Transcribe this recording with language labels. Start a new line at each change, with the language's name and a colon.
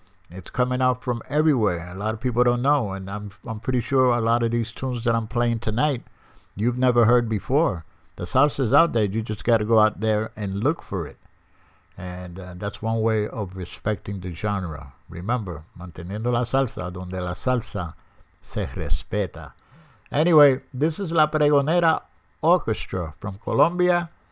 English: It's coming out from everywhere. A lot of people don't know. And I'm pretty sure a lot of these tunes that I'm playing tonight, you've never heard before. The salsa is out there. You just got to go out there and look for it. And that's one way of respecting the genre.
Spanish: Remember, manteniendo la salsa, donde la salsa se respeta.
English: Anyway, this is La Pregonera Orchestra from Colombia.